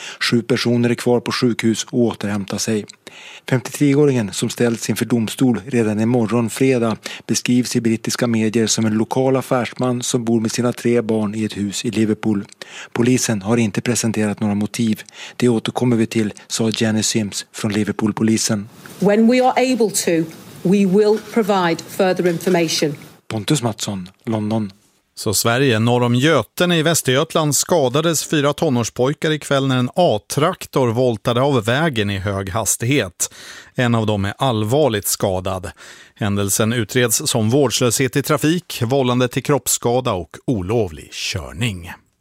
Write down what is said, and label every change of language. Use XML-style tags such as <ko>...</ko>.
<sv>7 personer är kvar på sjukhus och återhämtar sig. 53-åringen som ställts inför domstol redan imorgon fredag beskrivs i brittiska medier som en lokal affärsman som bor med sina 3 barn i ett hus i Liverpool. Polisen har inte presenterat några motiv. Det återkommer vi till, sa Jenny Sims från Liverpoolpolisen.</sv> <en>When we are able to, we will provide further information.</en> <sv>Pontus Mattsson, London. Så Sverige, norr om Göten i Västergötland, skadades 4 tonårspojkar ikväll när en A-traktor voltade av vägen i hög hastighet. En av dem är allvarligt skadad. Händelsen utreds som vårdslöshet i trafik, vållande till kroppsskada och olovlig körning.</sv>